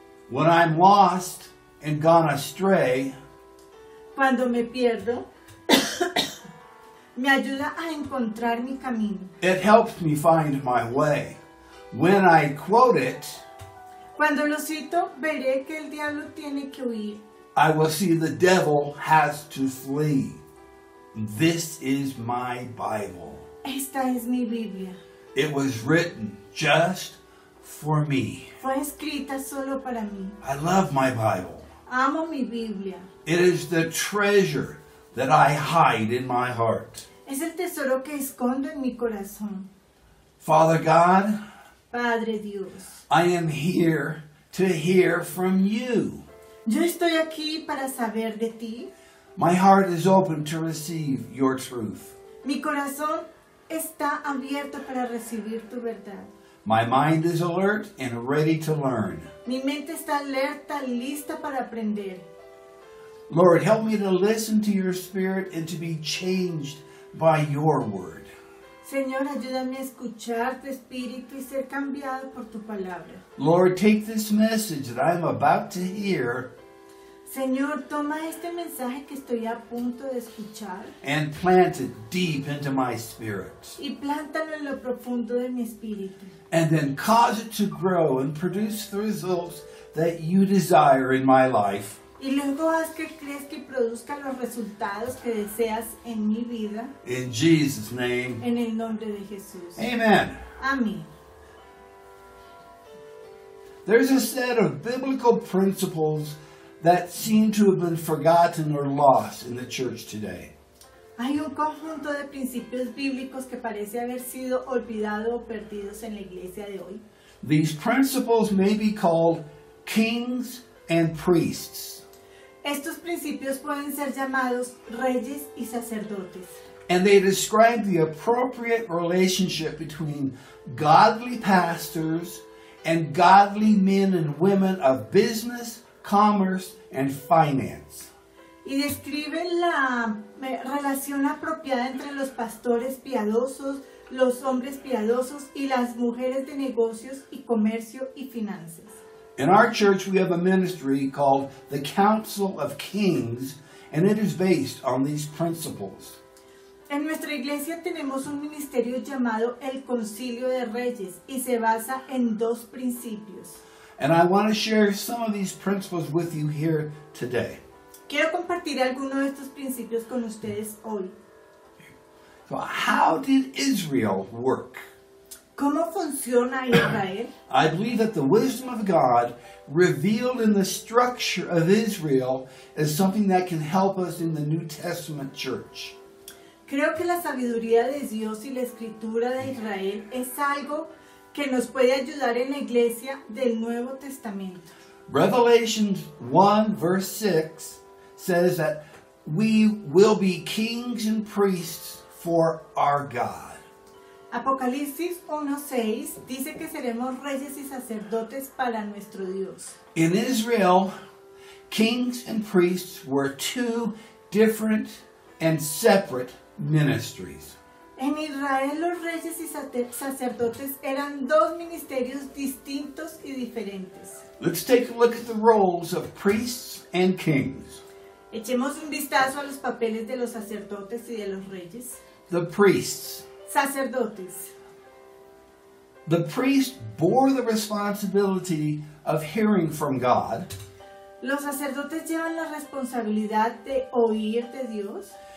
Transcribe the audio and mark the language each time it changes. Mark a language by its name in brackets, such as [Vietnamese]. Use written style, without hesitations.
[English] When I'm lost and gone astray. [Spanish] Cuando me pierdo. Me ayuda a encontrar mi camino. [English] It helps me find my way. When I quote it. [Spanish] Cuando lo cito, veré que el diablo tiene que huir. [English] I will see the devil has to flee. This is my Bible. [Spanish] Esta es mi Biblia. [English] It was written just for me. [Spanish] Fue escrita solo para mí. [English] I love my Bible. [Spanish] Amo mi Biblia. [English] It is the treasure that I hide in my heart. [Spanish] Es el tesoro que escondo en mi corazón. [English] Father God. [Spanish] Padre Dios. [English] I am here to hear from you. [Spanish] Yo estoy aquí para saber de ti. [English] My heart is open to receive your truth. [Spanish] Mi corazón está abierto para recibir tu verdad. [English] My mind is alert and ready to learn. [Spanish] Mi mente está alerta, lista para aprender. [English] Lord, help me to listen to your spirit and to be changed by your word. [Spanish] Señor, ayúdame a escuchar tu espíritu y ser cambiado por tu palabra. [English] Lord, take this message that I'm about to hear. [Spanish] Señor, toma este mensaje que estoy a punto de escuchar. [English] And plant it deep into my spirit. [Spanish] Y plántalo en lo profundo de mi espíritu. [English] And then cause it to grow and produce the results that you desire in my life. [Spanish] Y luego haz que crezca y produzca los resultados que deseas en mi vida. [English] In Jesus' name. [Spanish] En el nombre de Jesús. [English] Amen. [Spanish] Amén. [English] There's a set of biblical principles that seem to have been forgotten or lost in the church today. [Spanish] Hay un conjunto de principios bíblicos que parece haber sido olvidado o perdidos en la iglesia de hoy. [English] These principles may be called kings and priests. [Spanish] Estos principios pueden ser llamados reyes y sacerdotes. [English] And they describe the appropriate relationship between godly pastors and godly men and women of business, commerce and finance. [Spanish] Y describe la relación apropiada entre los pastores piadosos, los hombres piadosos y las mujeres de negocios y comercio y finanzas. [English] In our church we have a ministry called the Council of Kings and it is based on these principles. [Spanish] En nuestra iglesia tenemos un ministerio llamado el Concilio de Reyes y se basa en dos principios. [English] And I want to share some of these principles with you here today. [Spanish] Quiero compartir alguno de estos principios con ustedes hoy. [English] So how did Israel work? [Spanish] ¿Cómo funciona Israel? [English] I believe that the wisdom of God revealed in the structure of Israel is something that can help us in the New Testament church. [Spanish] Creo que la sabiduría de Dios y la escritura de Israel es algo que nos puede ayudar en la iglesia del Nuevo Testamento. [English] Revelation 1 verse 6 says that we will be kings and priests for our God. [Spanish] Apocalipsis 1:6 dice que seremos reyes y sacerdotes para nuestro Dios. [English] In Israel, kings and priests were two different and separate ministries. [Spanish] En Israel, los reyes y sacerdotes eran dos ministerios distintos y diferentes. [English] Let's take a look at the roles of priests and kings. [Spanish] Echemos un vistazo a los papeles de los sacerdotes y de los reyes. [English] The priests. [Spanish] Sacerdotes. [English] The priest bore the responsibility of hearing from God. [Spanish] ¿Los sacerdotes llevan la responsabilidad de oír de Dios?